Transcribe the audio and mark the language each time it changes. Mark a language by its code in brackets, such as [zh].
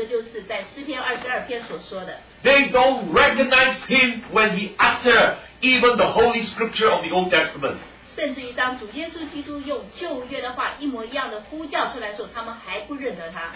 [zh] 主耶稣基督在十字架上实在就已经告诉他，我就是弥赛亚，因为他的家呼叫呼求的就是在诗篇22篇所说的。 [en] They don't recognize him when he utter even the Holy Scripture of the Old Testament. [zh] 甚至于当主耶稣基督用旧约的话一模一样的呼叫出来的时候，他们还不认得他。